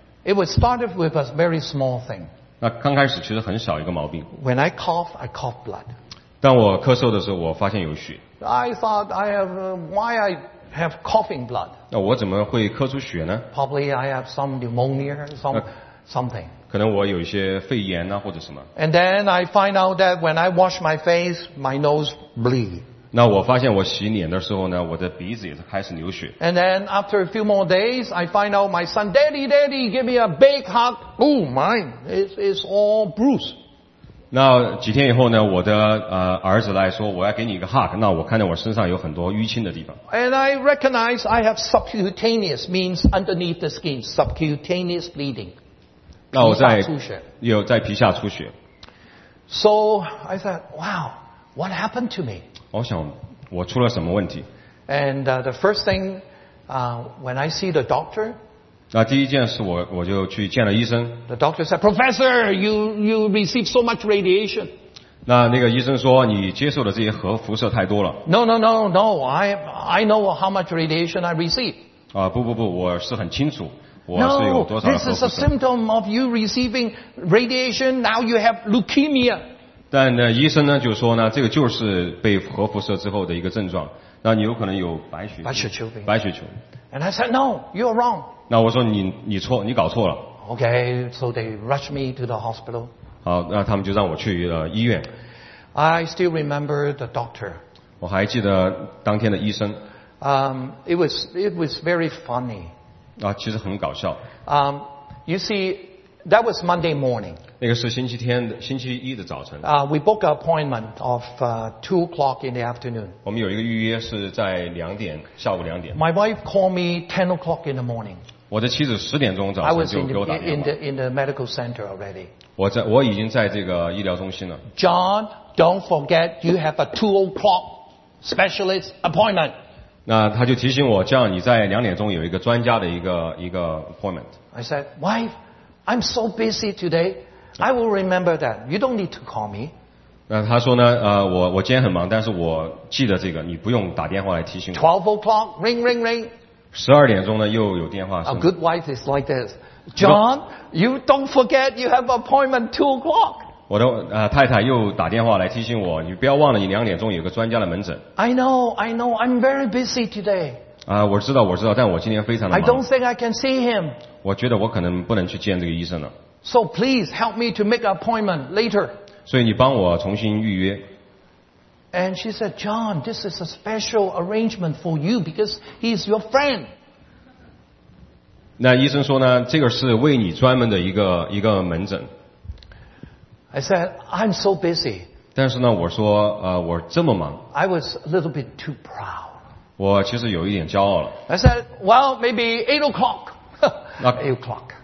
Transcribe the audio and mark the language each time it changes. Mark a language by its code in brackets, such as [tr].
[en] It was started with a very small thing. [zh] 那刚开始其实很小一个毛病。 [en] When I cough blood. [zh] 当我咳嗽的时候我发现有血。 [en] I thought I have, why I have coughing blood. [zh] 那我怎么会咳出血呢？ [en] Probably I have some pneumonia, something. [zh] 可能我有一些肺炎啊或者什么。 [en] And then I find out that when I wash my face, my nose bleed. [zh] 那我发现我洗脸的时候呢，我的鼻子也开始流血。 [en] And then after a few more days, I find out my son, Daddy, Daddy, give me a big hug. Oh, mine, it's all bruised. [zh] 那几天以后呢，我的儿子来说，我要给你一个 hug. 那我看到我身上有很多淤青的地方。 [en] And I recognize I have subcutaneous means underneath the skin, subcutaneous bleeding. [zh] 那我在皮下出血。 [en] So I thought, wow, what happened to me? [zh] 我想我出了什么问题。 [en] And the first thing, when I see the doctor, [zh] 那第一件事我就去见了医生。 [en] The doctor said, Professor, you receive so much radiation. [zh] 那个医生说你接受的这些核辐射太多了。 [en] No, I know how much radiation I receive. [zh] 不，我是很清楚。 [en] No, this is a symptom of you receiving radiation. Now you have leukemia. [zh] 但呢，医生呢就说呢，这个就是被核辐射之后的一个症状。那你有可能有白血球。 [en] And I said, no, you're wrong. [zh] 那我说你搞错了。 [en] Okay, so they rushed me to the hospital. [zh] 好，那他们就让我去医院。 [en] I still remember the doctor. [zh] 我还记得当天的医生。 [en] It was very funny. [zh] 其实很搞笑。 [en] You see, that was Monday morning. [zh] 那个是星期一的早晨。 [en] We booked an appointment of 2 o'clock in the afternoon. [zh] 我们有一个预约是在两点，下午两点。 [en] My wife called me 10 o'clock in the morning. [zh] 我的妻子十点钟早上就给我打电话。 [en] I was in the medical center already. [zh] 我已经在这个医疗中心了。 [en] John, don't forget you have a 2 o'clock specialist appointment. [zh] 那他就提醒我，这样你在两点钟有一个专家的一个 appointment。 [en] I said, wife, I'm so busy today, I will remember that. You don't need to call me. [zh] 那他说呢，我今天很忙，但是我记得这个，你不用打电话来提醒我。 [en] 12 o'clock, ring, ring, ring. [zh] 12点钟呢又有电话。 [en] A good wife is like this. John, you don't forget you have appointment 2 o'clock. [zh] 我的太太又打电话来提醒我，你不要忘了，你两点钟有个专家的门诊。 [en] I know, I'm very busy today. [zh] 我知道，但我今天非常的忙。 [en] I don't think I can see him. [zh] 我觉得我可能不能去见这个医生了。 [en] So please help me to make an appointment later. [zh] 所以你帮我重新预约。 [en] And she said, John, this is a special arrangement for you because he's your friend. [zh] 那医生说呢，这个是为你专门的一个门诊。 [en] I said, I'm so busy. [zh] 但是呢，我说，我这么忙。 [en] I was a little bit too proud. [zh] 我其实有一点骄傲了。 [en] I said, well, maybe 8 o'clock. 8 o'clock.